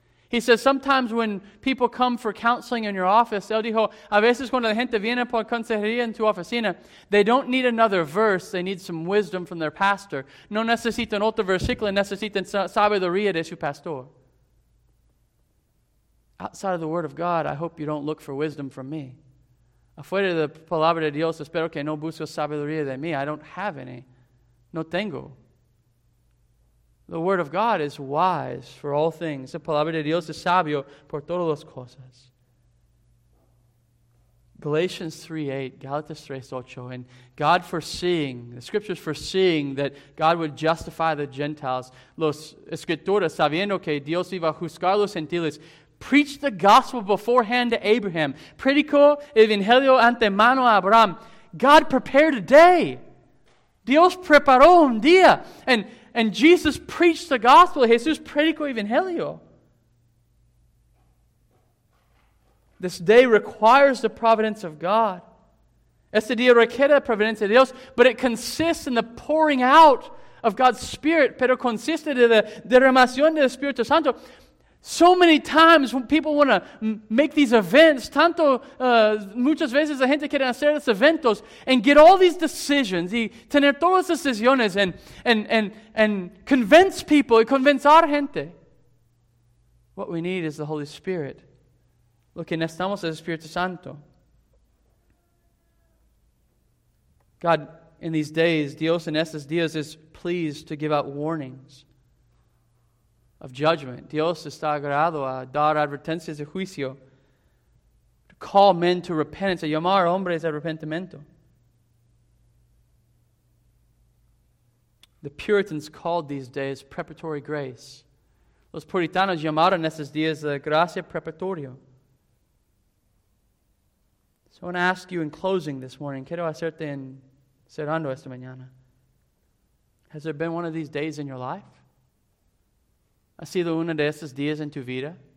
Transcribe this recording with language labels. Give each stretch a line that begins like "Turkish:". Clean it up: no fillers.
English: He says, sometimes when people come for counseling in your office,
Spanish: él dijo, a veces cuando la gente viene por consejería en tu oficina,
English: they don't need another verse, they need some wisdom from their pastor.
Spanish: No necesitan otro versículo, necesitan sabiduría de su pastor.
English: Outside of the Word of God, I hope you don't look for wisdom from me.
Spanish: Afuera de la palabra de Dios, espero que no busques sabiduría de mí.
English: I don't have any.
Spanish: No tengo.
English: The Word of God is wise for all things.
Spanish: La palabra de Dios es sabio por todas las cosas.
English: Galatians 3:8, and God foreseeing, the Scriptures foreseeing that God would justify the Gentiles,
Spanish: los escrituras sabiendo que Dios iba a juzgar los gentiles,
English: preached the gospel beforehand to Abraham.
Spanish: Predicó evangelio antemano a Abraham.
English: God prepared a day.
Spanish: Dios preparó un día.
English: And Jesus preached the gospel.
Spanish: Jesús predicó evangelio.
English: This day requires the providence of God.
Spanish: Este día requiere la providencia de Dios.
English: But it consists in the pouring out of God's Spirit.
Spanish: Pero consiste de la derramación del Espíritu Santo.
English: So many times when people want to make these events,
Spanish: muchas veces la gente quiere hacer los eventos
English: and get all these decisions
Spanish: y tener todas las decisiones
English: and convince people,
Spanish: y convencer gente.
English: What we need is the Holy Spirit.
Spanish: Lo que necesitamos es el Espíritu Santo.
English: God, in these days,
Spanish: Dios en estos días
English: is pleased to give out warnings of judgment.
Spanish: Dios está agrado a dar advertencias de juicio,
English: to call men to repentance,
Spanish: a llamar hombres a arrepentimiento.
English: The Puritans called these days preparatory grace.
Spanish: Los puritanos llamaron esos días la gracia preparatoria.
English: So I want to ask you in closing this morning,
Spanish: quiero hacerte en cerrando esta mañana.
English: Has there been one of these days in your life?
Spanish: ¿Ha sido uno de esos días en tu vida?